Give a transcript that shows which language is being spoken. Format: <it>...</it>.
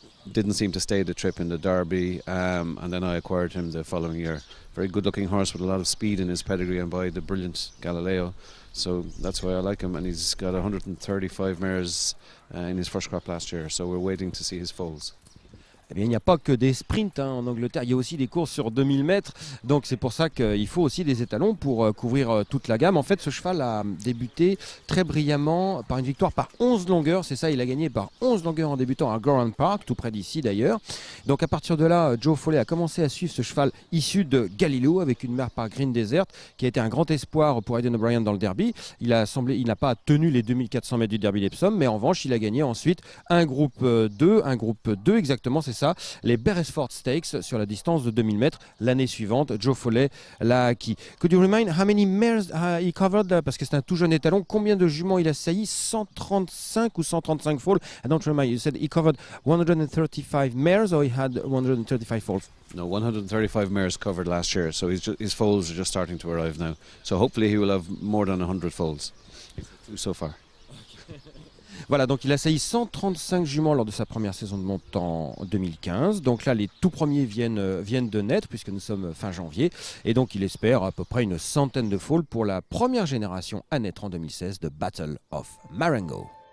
<en>Didn't seem to stay the trip in the Derby, and then I acquired him the following year. Very good looking horse with a lot of speed in his pedigree and by the brilliant Galileo. So that's why I like him, and he's got 135 mares in his first crop last year. So we're waiting to see his foals.</en> <fr>Eh bien, il n'y a pas que des sprints hein, en Angleterre, il y a aussi des courses sur 2000 mètres. Donc c'est pour ça qu'il faut aussi des étalons pour couvrir toute la gamme. En fait, ce cheval a débuté très brillamment par une victoire par 11 longueurs. C'est ça, il a gagné par 11 longueurs en débutant à Goran Park, tout près d'ici d'ailleurs. Donc à partir de là, Joe Foley a commencé à suivre ce cheval issu de Galilou avec une mare par Green Desert qui a été un grand espoir pour Aidan O'Brien dans le derby. Il n'a pas tenu les 2400 mètres du derby d'Epsom, mais en revanche, il a gagné ensuite un groupe 2 exactement. C'est ça, les Beresford Stakes sur la distance de 2000 mètres. L'année suivante, Joe Foley l'a acquis.</fr> <en>Could you remind how many mares he covered?</en> <fr>Parce que c'est un tout jeune étalon. Combien de juments il a saillis? 135 ou 135 foals?</fr> <en>I don't remember. You said he covered 135 mares or he had 135 foals? No, 135 mares covered last year. So his foals are just starting to arrive now. So hopefully he will have more than 100 foals so far.</en> <fr>Voilà, donc il a saillé 135 juments lors de sa première saison de monte en 2015. Donc là, les tout premiers viennent de naître, puisque nous sommes fin janvier. Et donc, il espère à peu près une centaine de foals pour la première génération à naître en 2016 de Battle of Marengo.</fr>